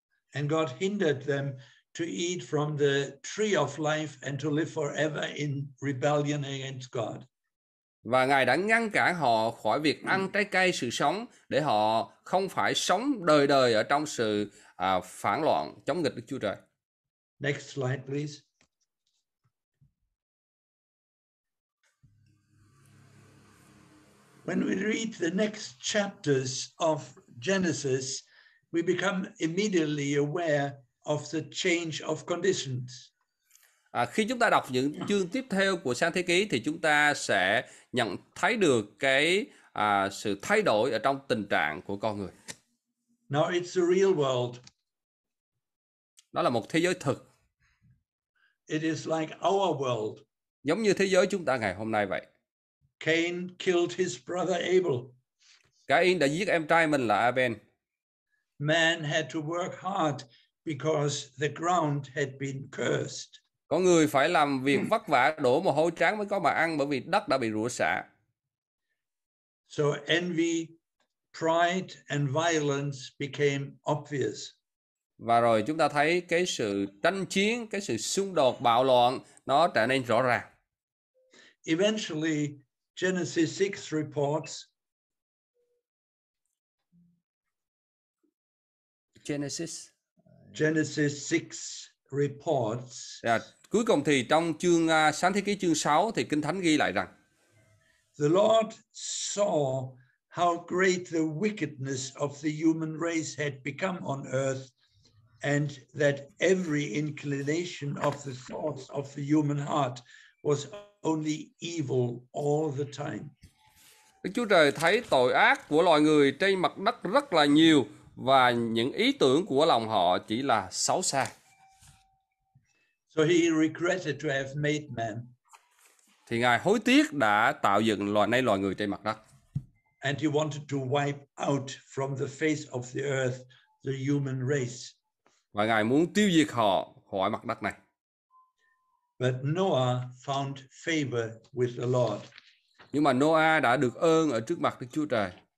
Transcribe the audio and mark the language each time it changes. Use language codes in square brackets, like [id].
[en] And God hindered them to eat from the tree of life and to live forever in rebellion against God. [vi] Và Ngài đã ngăn cản họ khỏi việc ăn trái cây sự sống để họ không phải sống đời đời ở trong sự phản loạn chống nghịch Đức Chúa Trời. [en] Next slide please. When we read the next chapters of Genesis, we become immediately aware of the change of conditions. [vi] Khi chúng ta đọc những chương tiếp theo của sáng thế ký thì chúng ta sẽ nhận thấy được cái sự thay đổi ở trong tình trạng của con người. [en] Now it's the real world. [vi] Đó là một thế giới thực. [en] It is like our world. [vi] Giống như thế giới chúng ta ngày hôm nay vậy. [en] Cain killed his brother Abel. [vi] Cain đã giết em trai mình là Abel. [en] Man had to work hard because the ground had been cursed. [vi] Có người phải làm việc vất vả đổ mồ hôi trán mới có mà ăn bởi vì đất đã bị rủa xả. [en] So envy, pride and violence became obvious. [vi] Và rồi chúng ta thấy cái sự tranh chiến, cái sự xung đột bạo loạn nó trở nên rõ ràng. [en] Eventually Genesis 6 reports. Genesis 6 reports. [vi] Cuối cùng thì trong chương sáng thế ký chương 6 thì Kinh Thánh ghi lại rằng [en] the Lord saw how great the wickedness of the human race had become on earth and that every inclination of the thoughts of the human heart was only evil all the time. [vi] Đức Chúa Trời thấy tội ác của loài người trên mặt đất rất là nhiều và những ý tưởng của lòng họ chỉ là xấu xa. [en] So he regretted to have made man. [vi] Thì Ngài hối tiếc đã tạo dựng loài người trên mặt đất. [en] And he wanted to wipe out from the face of the earth the human race. [vi] Và Ngài muốn tiêu diệt họ khỏi mặt đất này. [en] But Noah found favor with the Lord. [vi] Nhưng mà Noah đã được ơn ở trước mặt Đức Chúa Trời.